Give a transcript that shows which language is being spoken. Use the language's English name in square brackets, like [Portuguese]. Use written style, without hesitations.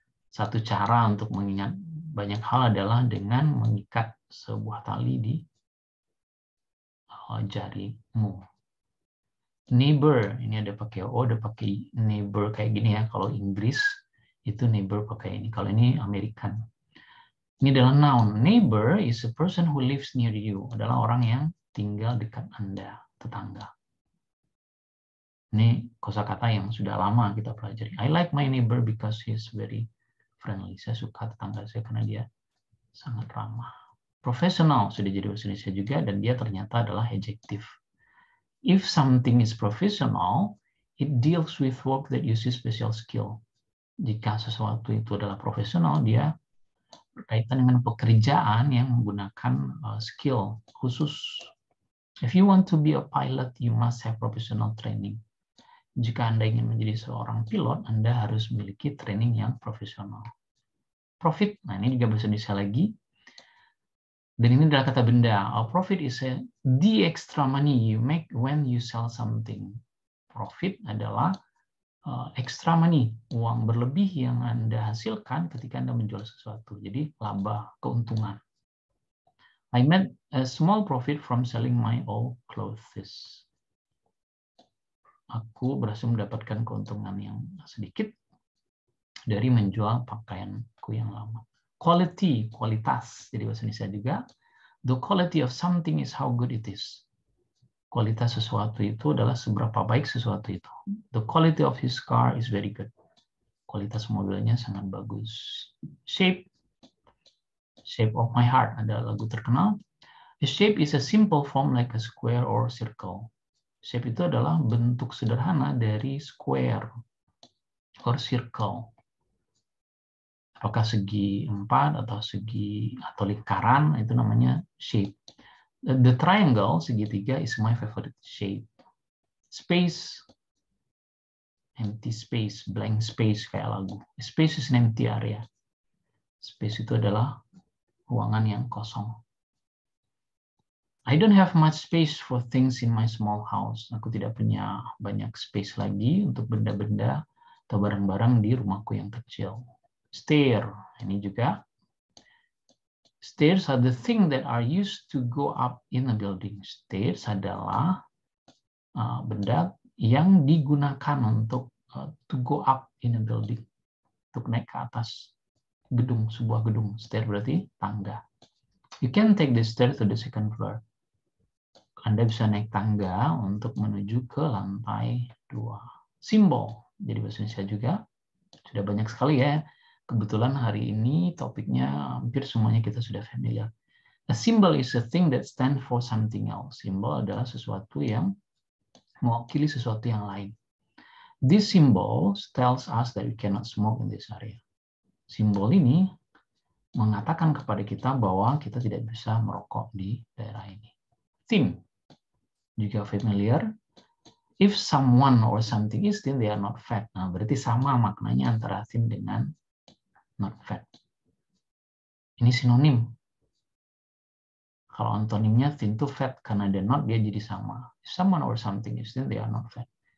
[Indonesian] Satu cara untuk mengingat banyak hal adalah dengan mengikat sebuah tali di jarimu. Neighbor, ini ada pakai O, ada pakai neighbor kayak gini ya. Kalau Inggris itu neighbor pakai ini. Kalau ini American. Ini adalah noun. [English] Neighbor is a person who lives near you. [Indonesian] Adalah orang yang tinggal dekat Anda, tetangga. Ini kosakata yang sudah lama kita pelajari. [English] I like my neighbor because he's very friendly. [Indonesian] Saya suka tetangga saya karena dia sangat ramah. Professional sudah jadi bahasa Indonesia juga dan dia ternyata adalah adjective. [English] If something is professional, it deals with work that uses special skill. [Indonesian] Jika sesuatu itu adalah profesional, dia berkaitan dengan pekerjaan yang menggunakan skill khusus. [English] If you want to be a pilot, you must have professional training. [Indonesian] Jika Anda ingin menjadi seorang pilot, Anda harus memiliki training yang profesional. Profit, nah ini juga bahasa Indonesia lagi. Dan ini adalah kata benda. [English] A profit is the extra money you make when you sell something. [Indonesian] Profit adalah extra money, uang berlebih yang Anda hasilkan ketika Anda menjual sesuatu. Jadi laba, keuntungan. [English] I made a small profit from selling my old clothes. [Indonesian] Aku berhasil mendapatkan keuntungan yang sedikit dari menjual pakaianku yang lama. Quality, kualitas. Jadi bahasa Indonesia juga. [English] The quality of something is how good it is. [Indonesian] Kualitas sesuatu itu adalah seberapa baik sesuatu itu. [English] The quality of his car is very good. [Indonesian] Kualitas mobilnya sangat bagus. Shape. Shape of my heart. Ada lagu terkenal. [English] The shape is a simple form like a square or circle. [Indonesian] Shape itu adalah bentuk sederhana dari square or circle. Apakah segi empat atau segi atau lingkaran itu namanya shape. [English] The triangle segitiga is my favorite shape. Space, empty space, blank space kayak lagu. Space is an empty area. [Indonesian] Space itu adalah ruangan yang kosong. [English] I don't have much space for things in my small house. [Indonesian] Aku tidak punya banyak space lagi untuk benda-benda atau barang-barang di rumahku yang kecil. Stair, ini juga. [English] Stairs are the thing that are used to go up in a building. [Indonesian] Stairs adalah benda yang digunakan untuk [English] to go up in a building, [Indonesian] untuk naik ke atas gedung, sebuah gedung. Stair berarti tangga. [English] You can take the stairs to the second floor. [Indonesian] Anda bisa naik tangga untuk menuju ke lantai dua. Simbol, jadi bahasa Indonesia juga. Sudah banyak sekali ya. Kebetulan hari ini topiknya hampir semuanya kita sudah familiar. [English] A symbol is a thing that stands for something else. [Indonesian] Symbol adalah sesuatu yang mewakili sesuatu yang lain. [English] This symbol tells us that we cannot smoke in this area. [Indonesian] Symbol ini mengatakan kepada kita bahwa kita tidak bisa merokok di daerah ini. Theme juga familiar. [English] If someone or something is thin, they are not fat. [Indonesian] Nah, berarti sama maknanya antara thin dengan not fat. Ini sinonim. Kalau antonimnya thin to fat, karena dia not, dia jadi sama. [English] If someone or something is thin, they are not fat.